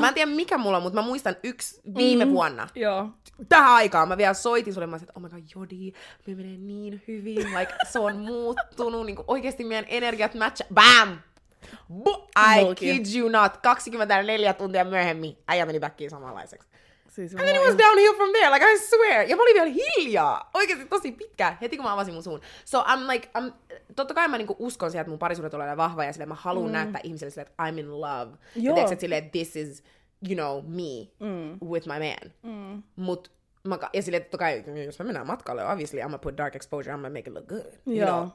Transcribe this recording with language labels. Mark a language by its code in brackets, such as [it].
[fi] Mä en tiedä mikä mulla on, mutta mä muistan yksi viime vuonna. Joo. Tähän aikaan mä vielä soitin sulle, mä olin, että [en] oh my god, [fi] Jodi, me menee niin hyvin, like, se on muuttunut, niin kuin oikeasti meidän energiat matcha. Bam! [en] Kid you not, [fi] 24 tuntia myöhemmin, äijä meni backiin samanlaiseksi. Siis [en] and then it was downhill from there, like I swear. [fi] Ja mä olin vielä hiljaa, oikeasti tosi pitkä, heti kun mä avasin mun suun. [en] So I'm like, [fi] totta kai mä niinku uskon siihen, että mun parisuhde tulee vahva ja silleen mä haluun näyttää ihmiselle silleen, että [en] I'm in love. [fi] Joo. Ja teeks, että silleen, [en] this is, you know, me with my man. [fi] Mut, ja silleen, totta kai, jos mä mennään matkalle, [en] obviously I'm gonna put dark exposure, I'm gonna make it look good.